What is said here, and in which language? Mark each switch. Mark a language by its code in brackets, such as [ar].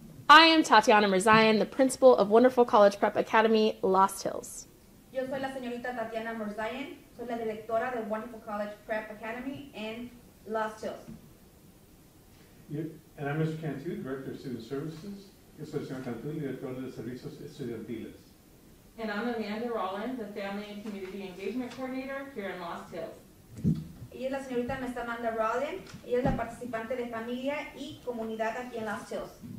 [en] I am Tatiana Merzian, the principal of Wonderful College Prep Academy, Lost Hills. [es] Yo soy la señorita Tatiana Merzian, soy la directora de Wonderful College Prep Academy in Lost Hills. [en] And I'm Mr. Cantu, Director of Student Services. [es] Yo soy el señor Cantu, Director de Servicios Estudiantiles. [en] And I'm Amanda Rollins, the Family and Community Engagement Coordinator here in Lost Hills. [es] Y es la señorita Amanda Rollins, ella es la participante de Familia y Comunidad aquí en Lost Hills.